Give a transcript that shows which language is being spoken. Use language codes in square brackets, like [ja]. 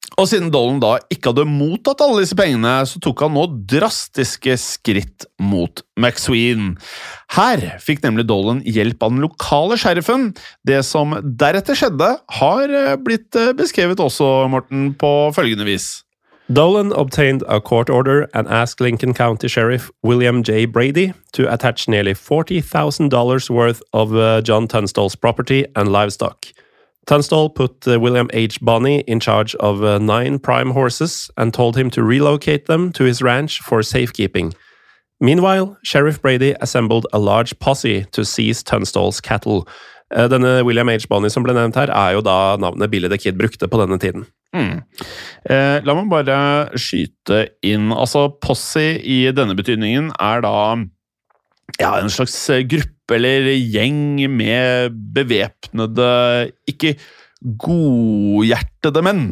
[no] Og siden Dolan da ikke hadde mottatt alle disse pengene, så tok han nå drastiske skritt mot McSween. Her fikk nemlig Dolan hjelp av den lokale sheriffen. Det som deretter skjedde har blitt beskrevet også, Morten, på følgende vis. [en] Dolan obtained a court order and asked Lincoln County Sheriff William J. Brady to attach nearly $40,000 worth of John Tunstall's property and livestock. Tunstall put William H. Bonney in charge of 9 prime horses and told him to relocate them to his ranch for safekeeping. Meanwhile, Sheriff Brady assembled a large posse to seize Tunstall's cattle. [no] Denne William H. Bonney som ble nevnt her er jo da navnet Billy the Kid brukte på denne tiden. Mm. La meg bare skyte inn. Altså, posse i denne betydningen er da ja, en slags gruppe eller gjeng med bevepnede, ikke godhjertede menn.